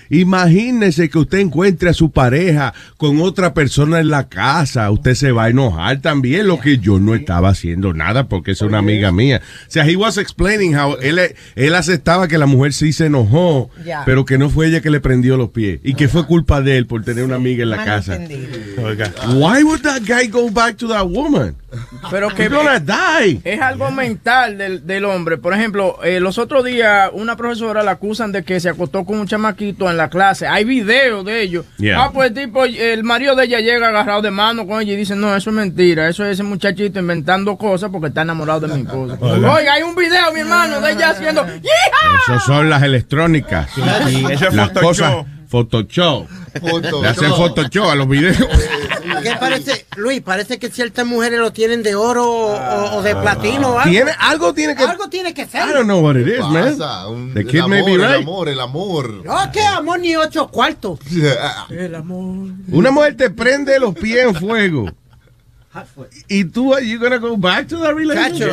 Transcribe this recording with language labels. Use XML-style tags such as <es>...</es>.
<es>Imagínese que usted encuentre a su pareja con otra persona en la casa. Usted se va a enojar también. Lo que yo no estaba haciendo nada porque es una amiga mía. O sea,</es> <en>he was explaining how</en> <es>él aceptaba que la mujer sí se enojó, pero que no fue ella que le prendió los pies y que fue culpa de él por tener una amiga en la casa.</es> <en>Why would that guy go back to that woman?</en> <es>Pero que es algo mental del hombre. Por ejemplo, los otros días una profesora la acusan de que se acostó con un chamaquito en la clase. Hay videos de ellos. Ah, pues tipo, el marido de ella llega agarrado de mano con ella y dice, no, eso es mentira, eso es ese muchachito inventando cosas porque está enamorado de mi esposa. Oiga, hay un video, mi hermano, de ella haciendo ¡yeeha! Esos son las electrónicas. Sí, eso es Photoshop. Photoshop. Le hacen Photoshop a los videos. ¿Qué parece, Luis? Parece que ciertas mujeres lo tienen de oro o de platino o algo. Algo tiene que ser.</es> <en>I don't know what it is, man. The kid</en> <es>el amor,</es> <en>may be right.</en> <es>El amor. No, qué amor ni ocho cuartos. El amor. Una mujer te prende los pies en fuego. Y tú,</es> <en>are you gonna go back to that relationship?</en>